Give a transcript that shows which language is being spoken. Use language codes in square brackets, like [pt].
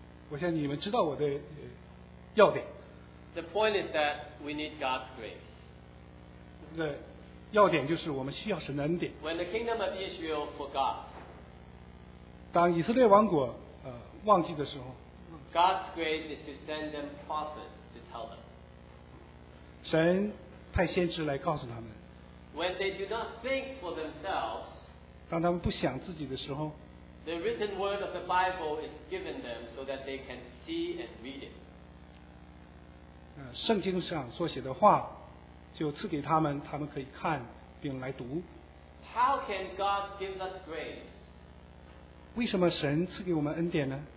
[zh] 我想你们知道我的、要点。 [en] The point is that we need God's grace. [zh] 那要点就是我们需要神的恩典。 [en] When the kingdom of Israel forgot. [zh] 当以色列王国、忘记的时候。 [en] God's grace is to send them prophets to tell them. [zh] 神派先知来告诉他们。 [en] When they do not think for themselves. [zh] 当他们不想自己的时候。 [en] The written word of the Bible is given them so that they can see and read it. [zh] 圣经上所写的话就赐给他们，他们可以看并来读。 [en] How can God give us grace? [zh] 为什么神赐给我们恩典呢？